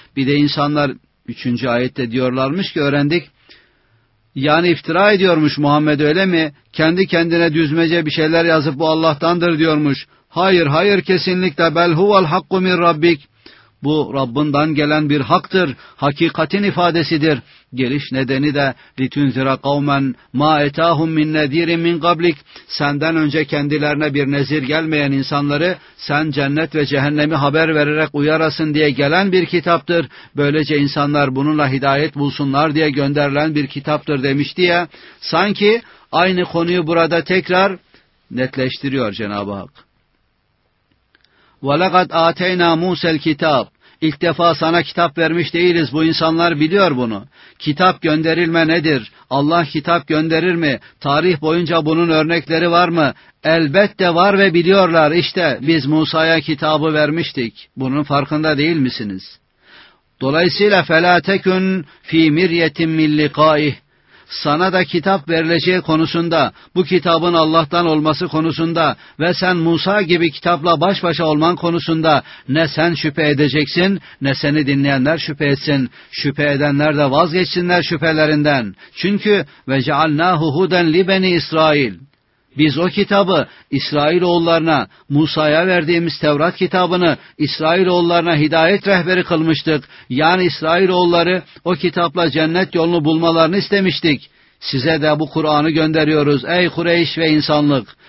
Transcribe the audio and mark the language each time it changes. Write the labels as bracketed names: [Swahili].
[Turkish] Bir de insanlar 3. ayette diyorlarmış ki, öğrendik. Yani iftira ediyormuş Muhammed, öyle mi? Kendi kendine düzmece bir şeyler yazıp bu Allah'tandır diyormuş. Hayır, hayır, kesinlikle. [Arabic] Bel huvel hakku min Rabbik. [Turkish] Bu Rabbinden gelen bir haktır, hakikatin ifadesidir. Geliş nedeni de [Arabic] لِتُنْزِرَ قَوْمًا مَا اَتَاهُمْ مِنْ نَذ۪يرٍ مِنْ قَبْلِكَ. [Turkish] Senden önce kendilerine bir nezir gelmeyen insanları, sen cennet ve cehennemi haber vererek uyarasın diye gelen bir kitaptır. Böylece insanlar bununla hidayet bulsunlar diye gönderilen bir kitaptır demişti ya. Sanki aynı konuyu burada tekrar netleştiriyor Cenab-ı Hak. [Arabic] وَلَقَدْ اَعْتَيْنَا مُوسَ الْكِتَابِ. [Turkish] İlk defa sana kitap vermiş değiliz. Bu insanlar biliyor bunu. Kitap gönderilme nedir? Allah kitap gönderir mi? Tarih boyunca bunun örnekleri var mı? Elbette var ve biliyorlar. İşte biz Musa'ya kitabı vermiştik. Bunun farkında değil misiniz? Dolayısıyla [Arabic] فَلَا تَكُنْ فِي مِرْيَةٍ مِنْ لِقَائِهِ. [Turkish] Sana da kitap verileceği konusunda, bu kitabın Allah'tan olması konusunda ve sen Musa gibi kitapla baş başa olman konusunda ne sen şüphe edeceksin, ne seni dinleyenler şüphe etsin. Şüphe edenler de vazgeçsinler şüphelerinden. Çünkü [Arabic] وَجَعَلْنَاهُ هُدًا لِبَنِي إِسْرَائِيلِ. [Turkish] Biz o kitabı İsrailoğullarına, Musa'ya verdiğimiz Tevrat kitabını İsrailoğullarına hidayet rehberi kılmıştık. Yani İsrailoğulları o kitapla cennet yolunu bulmalarını istemiştik. Size de bu Kur'an'ı gönderiyoruz ey Kureyş ve insanlık.